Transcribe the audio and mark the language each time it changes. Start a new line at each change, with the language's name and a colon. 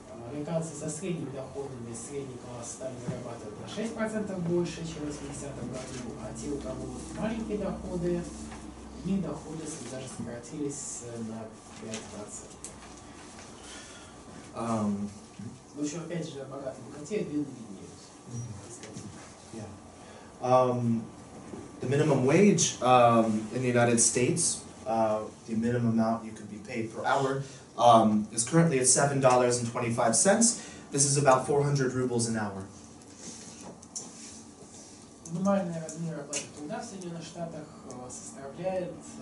Russian: американцы со средними доходами, средний класс стали зарабатывать на 6% больше, чем в 80-м году, а те, у кого маленькие доходы, и доходы даже сократились на 5%. В общем, опять же, богатые богатеют, бедные беднеют.
English: The minimum wage in the United States, the minimum amount you could be paid per hour, is currently at $7.25. This is about 400 rubles an hour.
Russian: Минимальный размер оплаты труда в Соединенных Штатах составляет...